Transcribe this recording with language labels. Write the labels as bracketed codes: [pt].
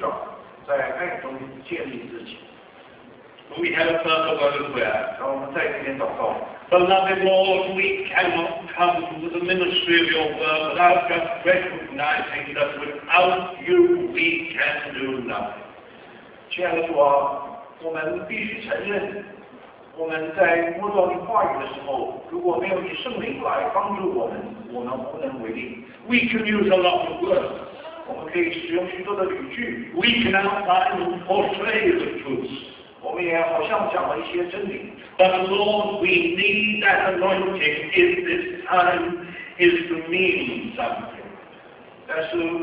[zh] 我用爱心说诚实话，凡事长进源于元首基督，全身都靠着他联络的合适，百节各按各职，照着个体的功用彼此相处，便叫身体渐渐增长，在爱中建立自己。 [en] We have a purpose of prayer. [zh] 让我们再一点祷告。 [en] Beloved Lord, we cannot come to the ministry of your word without just recognizing that without you we can do nothing. [zh] 亲爱的主啊，我们必须承认，我们在摸到你话语的时候，如果没有你圣灵来帮助我们，我们无能为力。 [en] We can use a lot of words. [zh] 我们可以使用许多的语句。 [en] We can outline and portray the truth. [zh] 我们也好像讲了一些真理。 [en] But Lord, we need that anointing if this time is to mean something.